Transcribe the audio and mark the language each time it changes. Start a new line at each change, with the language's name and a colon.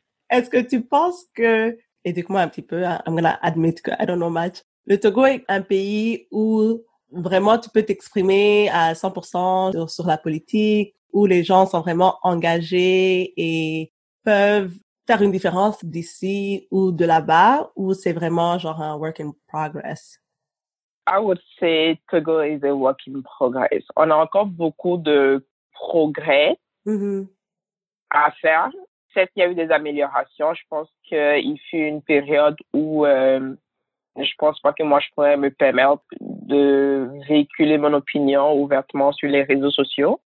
French: Est-ce que tu penses que, éduque-moi un petit peu,
English: I'm gonna admit
French: que
English: I don't know much,
French: le Togo est un pays où vraiment, tu peux t'exprimer à 100% sur la politique, où les gens sont vraiment engagés et peuvent faire une différence d'ici ou de là-bas, ou c'est vraiment genre un
English: work in progress? I would say Togo is a work in progress.
French: On a encore beaucoup de progrès à faire. Certes, il y a eu des améliorations. Je pense qu'il fut une période où je pense pas que moi je pourrais me permettre de véhiculer mon opinion ouvertement sur les réseaux sociaux.